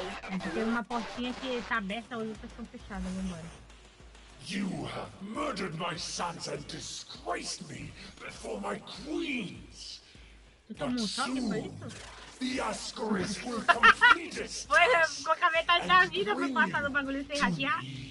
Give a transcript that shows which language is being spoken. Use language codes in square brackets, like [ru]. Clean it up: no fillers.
[pt] É que tem uma portinha que tá aberta, as outras estão fechadas, vambora. [en] You have murdered my sons and disgraced me before my queens. [pt] Tu tomou um choque por isso? [en] The Ascaris will complete us. [pt] Foi, ficou com a metade da vida pra passar no bagulho sem hackear.